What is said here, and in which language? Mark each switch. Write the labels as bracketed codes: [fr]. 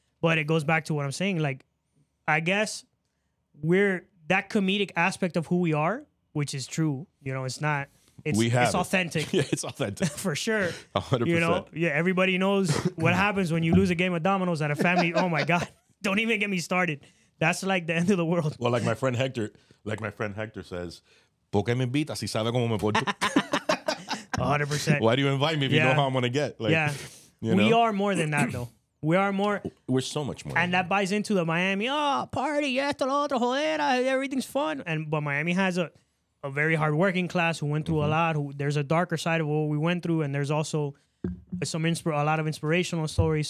[en] But it goes back to what I'm saying. Like, I guess we're that comedic aspect of who we are, which is true. You know, it's not... It's authentic. Yeah, it's authentic. For sure. 100%. You know, yeah, everybody knows what happens when you lose a game of dominoes at a family. Oh my God. Don't even get me started. That's like the end of the world. Well, like my friend Hector says, [es] ¿Por qué me invitas si sabe cómo me puedo? [en] 100%. Why do you invite me if you know how I'm going to get? Like, yeah. You know? We are more than that, though. We are more. We're so much more. And that buys into the Miami, party, [es] esto, lo otro, joder, [en] everything's fun. But Miami has a very hard working class who went through mm-hmm. a lot, there's a darker side of what we went through, and there's also a lot of inspirational stories.